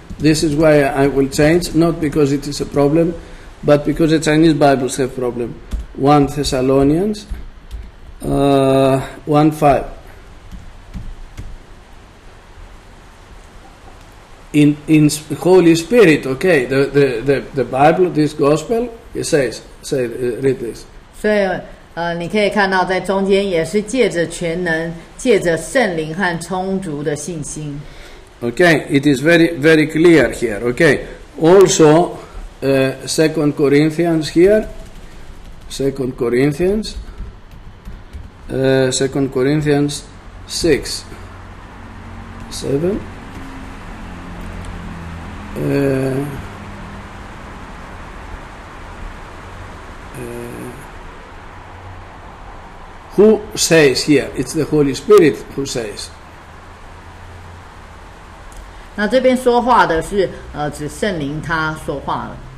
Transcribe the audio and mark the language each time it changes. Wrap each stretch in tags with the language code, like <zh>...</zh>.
<en>This is why I will change, not because it is a problem. But because the Chinese Bibles have problem, 1 Thessalonians, 1:5. In Holy Spirit, okay, the Bible, this Gospel, it says, read this.</en> <zh>所以，你可以看到在中间也是借着全能，借着圣灵和充足的信心。</zh> <en>Okay, it is very very clear here. Okay, also. Second Corinthians here. Second Corinthians. Second Corinthians 6:7. Who says here? It's the Holy Spirit who says.</en> <zh>那这边说话的是指圣灵他说话了。</zh>